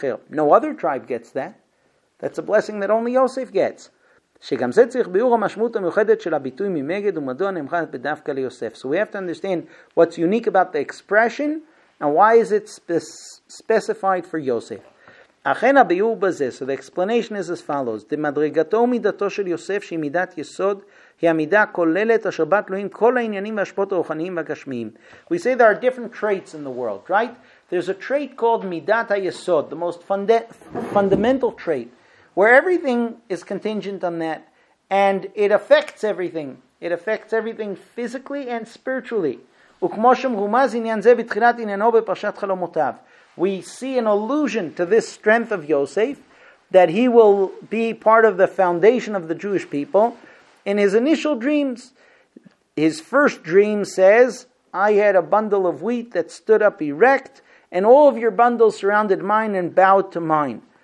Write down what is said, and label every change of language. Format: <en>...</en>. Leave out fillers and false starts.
<en>No other tribe gets that. That's a blessing that only Yosef gets.</en> <he>שגם זה צריך ביור המשמעות המיוחדת של הביטוי ממגד ומדוע נמחת בדווקא ליוסף.</he> <en>So we have to understand what's unique about the expression and why is it specified for Yosef.</en> <he>אכן הביור בזה,</he> <en>so the explanation is as follows.</en> <he>דמדרגתו ומידתו של יוסף שהיא מידת יסוד היא המידה הכוללת אשר בה תלויים כל העניינים והשפעות הרוחניים והגשמיים.</he> <en>We say there are different traits in the world, right? There's a trait called midat ha-yesod, the most fundamental trait, where everything is contingent on that, and it affects everything. It affects everything physically and spiritually.</en> <he>וכמו שמרומז עניין זה בתחילת עניינו בפרשת חלומותיו.</he> <en>We see an allusion to this strength of Yosef, that he will be part of the foundation of the Jewish people. In his initial dreams, his first dream says, I had a bundle of wheat that stood up erect, and all of your bundles surrounded mine and bowed to mine.</en>